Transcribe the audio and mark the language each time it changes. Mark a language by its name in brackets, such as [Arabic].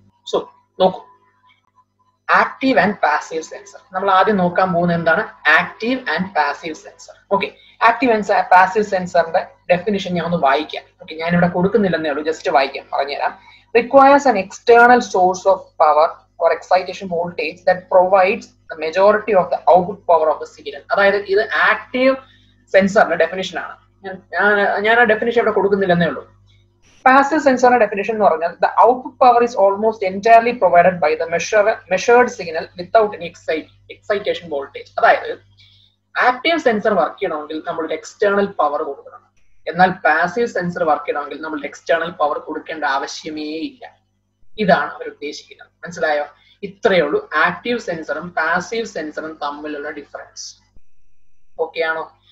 [Malayalam] So നോക്കൂ, active and passive sensor. നമ്മൾ ആദ്യം നോക്കാൻ പോകുന്ന എന്താണ് active and passive sensor. Okay, active and passive സെൻസറിന്റെ ഡെഫിനിഷൻ ഞാൻ ഒന്ന് വായിക്കാം. ഓക്കെ, ഞാൻ ഇവിടെ കൊടുക്കുന്നില്ലെന്നേ ഉള്ളൂ, ജസ്റ്റ് വായിക്കാം, പറഞ്ഞുതരാം. [English] Requires an external source of power or excitation voltage that provides the majority of the output power of the signal. [Malayalam] അതായത് ഇത് ആക്റ്റീവ് സെൻസറിന്റെ ഡെഫിനിഷൻ ആണ്. ഞാൻ ആ ഡെഫിനിഷൻ ഇവിടെ കൊടുക്കുന്നില്ലെന്നേ ഉള്ളൂ. [English] Passive sensor definition [Malayalam] എന്ന് പറഞ്ഞാൽ [English] the output power is almost entirely provided by the measured signal without any excitation voltage. [Malayalam] അതായത് ആക്റ്റീവ് സെൻസർ വർക്ക് ചെയ്യണമെങ്കിൽ നമ്മൾ എക്സ്റ്റേണൽ പവർ കൊടുക്കണം, എന്നാൽ പാസീവ് സെൻസർ വർക്ക് ചെയ്യണമെങ്കിൽ നമ്മൾ എക്സ്റ്റേണൽ പവർ കൊടുക്കേണ്ട ആവശ്യമേയില്ല. ഇതാണ് അവർ ഉദ്ദേശിക്കുന്നത്. മനസ്സിലായോ? ഇത്രയേ ഉള്ളൂ ആക്റ്റീവ് സെൻസറും പാസീവ് സെൻസറും തമ്മിലുള്ള ഡിഫറൻസ്. ഓക്കെ ആണോ?